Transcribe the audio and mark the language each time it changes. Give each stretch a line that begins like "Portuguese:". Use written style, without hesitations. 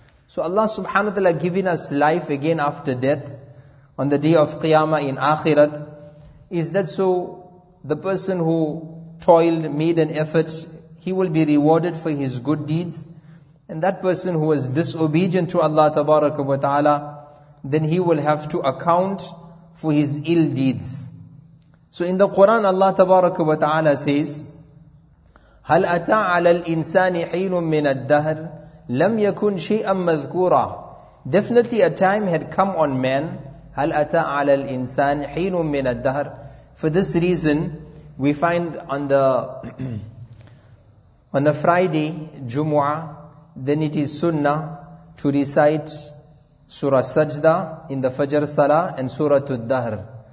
English: So Allah subhanahu wa ta'ala giving us life again after death, on the day of Qiyamah in Akhirat, is that so the person who toiled, made an effort, he will be rewarded for his good deeds. And that person who was disobedient to Allah tabaraka wa ta'ala, then he will have to account for his ill deeds. So in the Quran, Allah tabaraka wa ta'ala says,
Arabic: هَلْ أَتَى عَلَى الْإِنسَانِ حِينٌ مِّنَ الدَّهْرِ لَمْ يَكُنْ شَيْئًا مَذْكُورًا.
English: Definitely a time had come on man.
Arabic: هَلْ أَتَى عَلَى الْإِنسَانِ حِينٌ مِّنَ الدَّهْرِ.
English: For this reason, we find on the on a Friday, Jumu'ah, then it is sunnah to recite Surah Sajda in the Fajr Salah and Surah Al-Dahr.